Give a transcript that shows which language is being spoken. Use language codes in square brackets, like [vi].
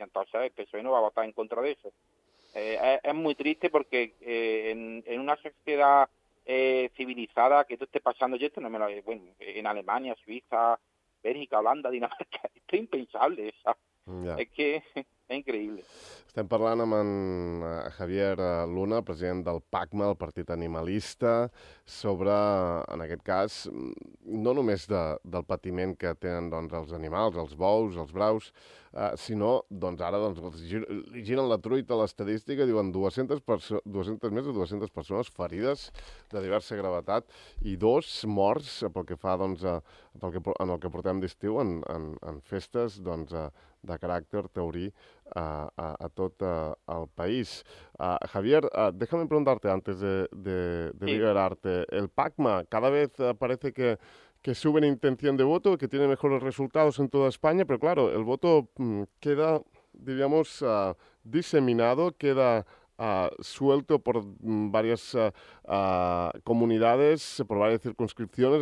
[es] Y entonces el PSOE no va a votar en contra de eso. Es muy triste porque en una sociedad civilizada, que esto esté pasando, yo esto no me lo veo. Bueno, en Alemania, Suiza, Bélgica, Holanda, Dinamarca, esto es impensable, ¿sabes? Ja. Es que es increíble. [ca] Estem parlant amb en Javier Luna, president del PACMA, el Partit Animalista, sobre, en aquest cas, no només del patiment que tenen doncs, els animals, els bous, els braus, sinó, doncs, ara, doncs, li giren la truita a l'estadística, diuen 200, 200 més de 200 persones ferides de diversa gravetat i dos morts pel que fa, doncs, en el que portem d'estiu en festes, doncs, de caràcter taurí a tot el país. [es] Javier, déjame preguntarte antes de liberarte. El PACMA cada vez parece que sube en intención de voto, que tiene mejores resultados en toda España, pero claro, el voto queda, diríamos, diseminado, queda suelto por varias comunidades, por varias circunscripciones.